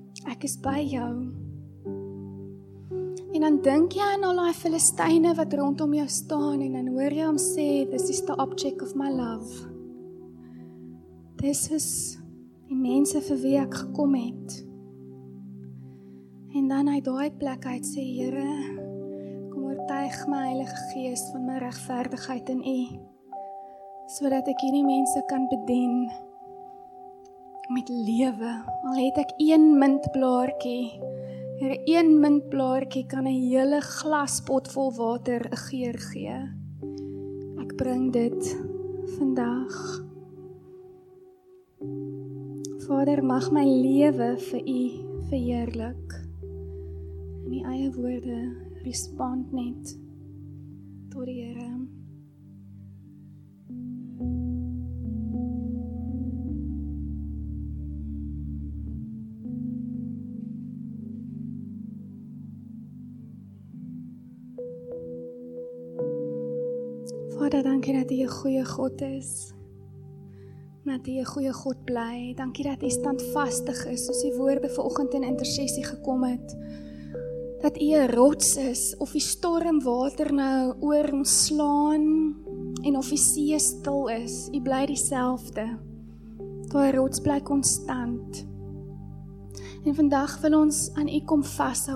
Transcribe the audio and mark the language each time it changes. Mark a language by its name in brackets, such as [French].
[Afrikaans] ek is by jou. En dan dink jy aan al die Filistyne wat rondom jou staan en dan hoor jy hom sê, [English] this is the object of my love. [Afrikaans] Dis is die mense vir wie ek gekom het. En dan uit daai plek uit sê, Here, kom oortuig my Heilige Gees van my regverdigheid in U, sodat ek hierdie mense kan bedien met lewe. Al het ek een mintblaartjie, Here, een mintblaartjie kan 'n hele glaspot vol water 'n geur gee. Ek bring dit vandag. Vader, mag my lewe vir U verheerlik. In die eie woorde, respond net tot die Here. Vader, dankie dat U 'n goeie God is. Dat U 'n goeie God bly. Dankie dat U standvastig is, soos die woorde vanoggend in intersessie gekom het. Dat U 'n rots is, of die stormwater nou oor ons slaan en of die see stil is, U bly dieselfde. Daai rots bly konstant. En vandag wil ons aan U kom vashou.